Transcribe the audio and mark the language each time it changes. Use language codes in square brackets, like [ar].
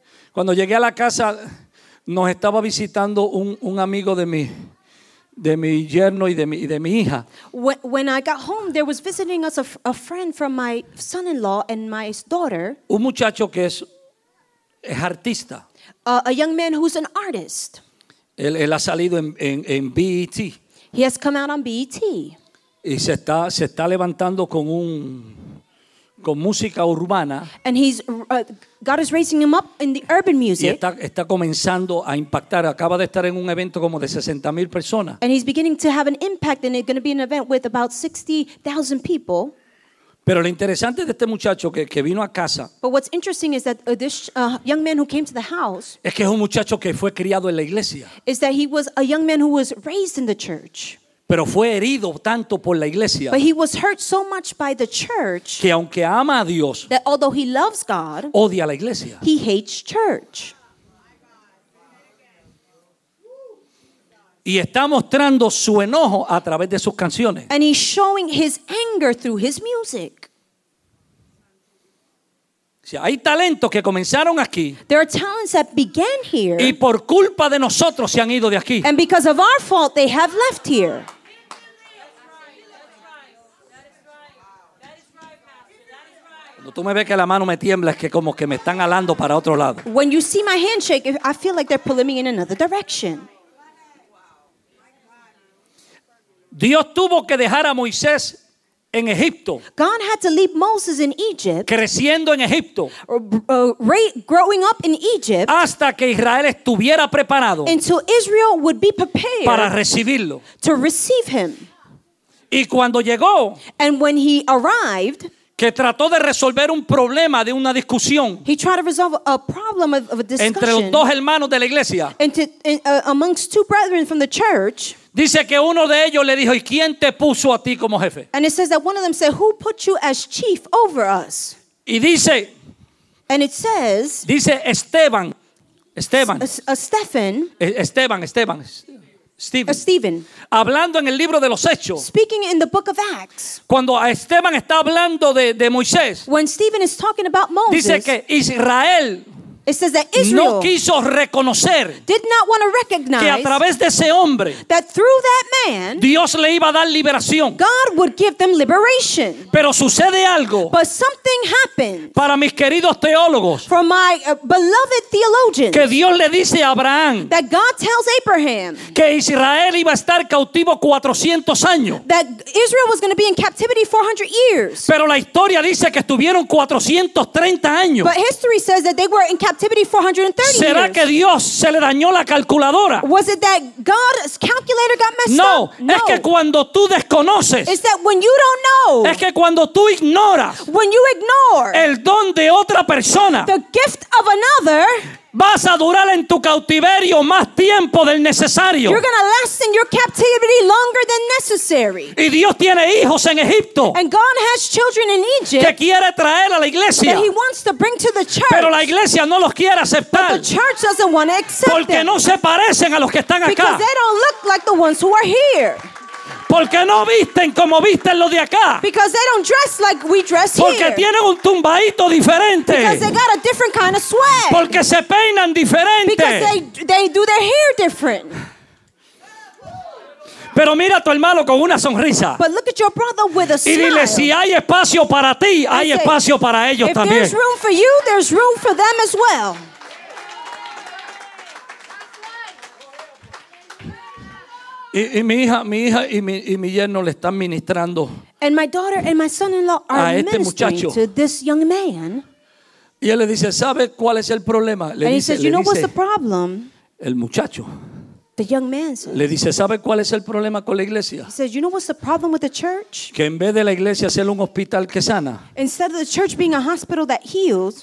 [es] cuando llegué a la casa, nos estaba visitando un amigo de mi yerno y de mi hija. [en] When I got home, there was visiting us a friend from my son-in-law and my daughter. [es] Un muchacho que es artista. [en] A young man who's an artist. [es] Él ha salido en BET. [en] He has come out on BET. [es] Y se está levantando con música urbana. [en] And he's God is raising him up in the urban music. [es] Y está comenzando a impactar. Acaba de estar en un evento como de 60,000 personas. [en] And he's beginning to have an impact, and it's going to be an event with about 60,000 people. [es] Pero lo interesante de este muchacho que vino a casa. [en] But what's interesting is that this young man who came to the house. [es] Es que es un muchacho que fue criado en la iglesia. [en] Is that he was a young man who was raised in the church. [es] Pero fue herido tanto por la iglesia. [en] But he was hurt so much by the church. [es] Que aunque ama a Dios. [en] That although he loves God. [es] Odia la iglesia. [en] He hates church. [es] Y está mostrando su enojo a través de sus canciones. [en] And he's showing his anger through his music. [es] Si hay talentos que comenzaron aquí. [en] There are talents that began here. [es] Y por culpa de nosotros se han ido de aquí. [en] And because of our fault they have left here. [es] Cuando tú me ves que la mano me tiembla es que como que me están alando para otro lado. [en] When you see my handshake I feel like they're pulling me in another direction. [es] Dios tuvo que dejar a Moisés en Egipto. [en] God had to leave Moses in Egypt. [es] Creciendo en Egipto. [en] Growing up in Egypt. [es] Hasta que Israel estuviera preparado. [en] Until Israel would be prepared. [es] Para recibirlo. [en] To receive him. [es] Y cuando llegó. [en] And when he arrived. [es] Que trató de resolver un problema de una discusión. [en] He tried to resolve a problem of a discussion. [es] Entre los dos hermanos de la iglesia. [en] Amongst two brethren from the church. [es] Dice que uno de ellos le dijo, ¿y quién te puso a ti como jefe? [en] And it says that one of them said, who put you as chief over us? [es] Y dice, [en] and it says, [es] dice Esteban, Esteban, [en] Stephen, [es] Esteban, Esteban, Stephen, [en] Stephen, [es] hablando en el libro de los Hechos, [en] speaking in the book of Acts, [es] cuando Esteban está hablando de Moisés, [en] when Stephen is talking about Moses, [es] dice que Israel, [en] it says that Israel [es] no quiso reconocer, [en] did not want to recognize, [es] que a través de ese hombre, [en] that through that man, [es] Dios le iba a dar liberación, [en] God would give them liberation. [es] Pero sucede algo, [en] but something happened, [es] para mis queridos teólogos, [en] for my beloved theologians, [es] que Dios le dice a Abraham, [en] that God tells Abraham, [es] que Israel iba a estar cautivo 400 años, [en] that Israel was going to be in captivity 400 years, [es] pero la historia dice que estuvieron 430 años, [en] but history says that they were in captivity 430 [es] ¿Será [en] years. [es] ¿Será que Dios se le dañó la calculadora? [en] Was it that God's calculator got messed [es] no, [en] up? [es] No. Es que cuando tú desconoces. [en] Is that when you don't know. [es] Es que cuando tú ignoras. [en] When you ignore. [es] El don de otra persona. [en] The gift of another. [es] Vas a durar en tu cautiverio más tiempo del necesario. [en] You're going to last in your captivity longer than necessary. [es] Y Dios tiene hijos en Egipto. [en] And God has children in Egypt. [es] Que quiere traer a la iglesia. [en] That he wants to bring to the church. [es] Pero la iglesia no los quiere aceptar. [en] But the church doesn't want to accept [es] porque [en] them. [es] No se parecen a los que están acá. [en] Because they don't look like the ones who are here. [es] Porque no visten como visten los de acá. [en] Because they don't dress like we dress [es] porque [en] here. [es] Porque tienen un tumbadito diferente. [en] Because they got a different kind of swag. [es] Porque se peinan diferente. [en] Because they do their hair different. [es] Pero mira a tu hermano con una sonrisa. [en] But look at your brother with a smile. [es] Y dile, si hay espacio para ti, and hay say, espacio para ellos [en] if [es] también. [en] If there's room for you, there's room for them as well. [es] Y mi hija y mi yerno le están ministrando. [en] And my daughter and my son-in-law are [es] este [en] ministering [es] muchacho. [en] To this young man. [es] Y él le dice, ¿sabe cuál es el problema? Le [en] and [es] dice, [en] he says, [es] le [en] you know [es] dice, [en] what's the problem? [es] El muchacho. [en] The young man says. [es] Le dice, ¿sabe cuál es el problema con la iglesia? [en] He says, you know what's the problem with the church? [es] Que en vez de la iglesia ser un hospital que sana. [en] Instead of the church being a hospital that heals.